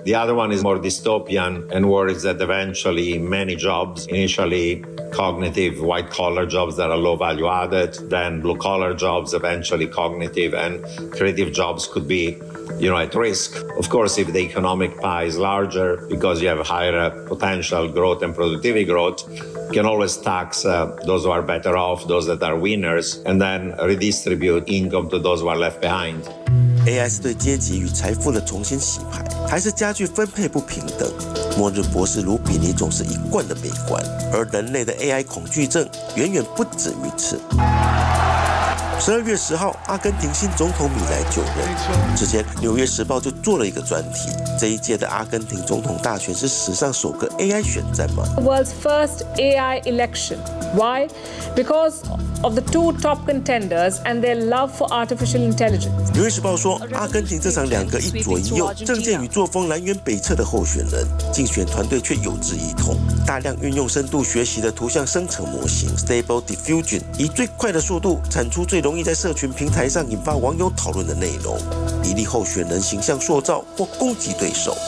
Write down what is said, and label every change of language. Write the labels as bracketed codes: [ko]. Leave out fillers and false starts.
[en] The other one is more dystopian and worries that eventually many jobs, initially cognitive white-collar jobs that are low value added, then blue-collar jobs, eventually cognitive and creative jobs could be, you know, at risk. Of course, if the economic pie is larger because you have higher potential growth and productivity growth,can always tax those who are better off, those that are winners, and then redistribute income to those who are left behind. [zh] AI 是对阶级与财富的重新洗牌，还是加剧分配不平等？末日博士卢比尼总是一贯的悲观，而人类的 AI 恐惧症远远不止于此。 12月10号，阿根廷新总统米莱就任。之前，《纽约时报》就做了一个专题：这一届的阿根廷总统大选是史上首个 AI 选战吗 [en] ？The world's first AI election. Why? Because of the two top contenders and their love for artificial intelligence. [zh] 《纽约时报》说，阿根廷这场两个一左一右、政见与作风南辕北辙的候选人，竞选团队却有志一同，大量运用深度学习的图像生成模型 Stable Diffusion， 以最快的速度产出最容易在社群平台上引发网友讨论的内容，以利候选人形象塑造或攻击对手。